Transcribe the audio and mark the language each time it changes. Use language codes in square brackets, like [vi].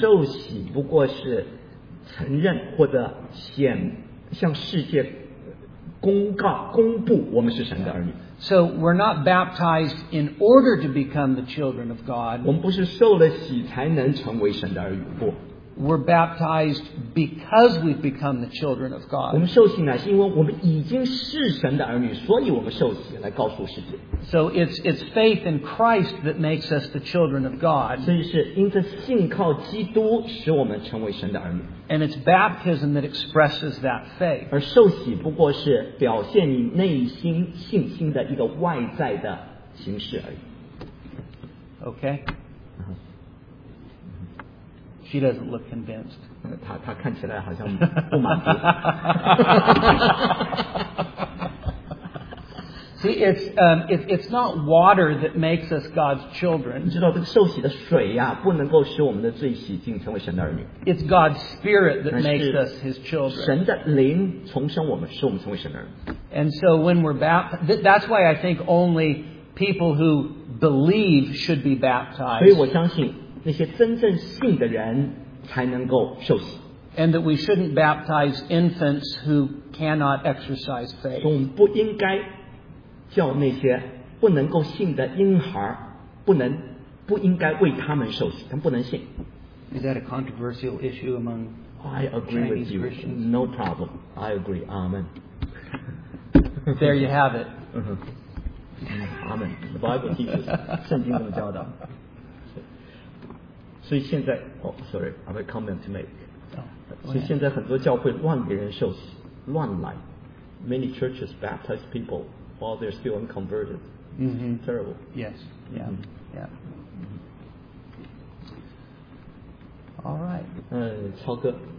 [zh] 受洗不过是承认或者显向世界公告公布我们是神的儿女。 [en] So we're not baptized in order to become the children of God. [zh] 我们不是受了洗才能成为神的儿女。不。 [en] We're baptized because we've become the children of God. [zh] 我们受洗乃是因为我们已经是神的儿女，所以我们受洗来告诉世界。 [en] So it's faith in Christ that makes us the children of God. [zh] 所以是因着信靠基督使我们成为神的儿女。 [en] And it's baptism that expresses that faith. [zh] 而受洗不过是表现你内心信心的一个外在的形式而已。 [en] Okay. She doesn't look convinced. [zh] 她看起来好像不满足。 [en] See, it's not water that makes us God's children. [zh] 你知道这个受洗的水呀，不能够使我们的罪洗净，成为神的儿女。 [en] It's God's Spirit that makes us His children. [zh] 神的灵重生我们，使我们成为神的儿女。 [en] And so when we're baptized, that's why I think only people who believe should be baptized. [zh] 所以我相信。那些真正信的人才能够受洗。 [en] And that we shouldn't baptize infants who cannot exercise faith. [zh] 我们不应该叫那些不能够信的婴孩不应该为他们受洗，他们不能信。 [en] Is that a controversial issue among I agree Chinese with you. Christians? No problem. I agree. Amen. There you have it. Amen. The Bible teaches. [zh] 圣经这么教导。所以现在 [en] sorry, I have a comment to make.、 Oh, [zh] 所以现在很多教会乱给人受洗，乱来。 [en] Many churches baptize people while they're still unconverted.、 Mm-hmm. It's terrible. Yes. Yeah.、Mm-hmm. Yeah. Mm-hmm. All right. [zh] 超哥。